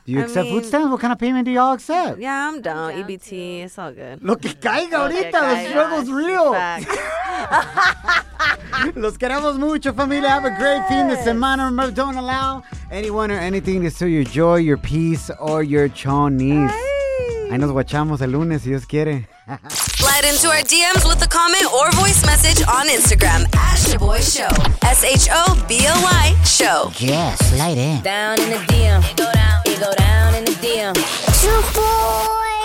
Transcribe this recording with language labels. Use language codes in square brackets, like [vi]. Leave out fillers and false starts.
[en] Do you accept food stamps? What kind of payment do y'all accept? Yeah, I'm down. EBT, too. It's all good. [es] Lo que caiga ahorita, [en] the struggle's real. [es] Los queremos mucho, familia. [en] Have a great [es] fin de semana. [en] Remember, don't allow anyone or anything to steal your joy, your peace, or your chonies. [es] Ahí nos guachamos el lunes, si Dios quiere. [en] Slide into our DMs with a comment or voice message on Instagram at Shaboy Show. S-H-O-B-O-Y Show. Yeah, slide in. Down in the DM. You go down in the DM. Shaboy.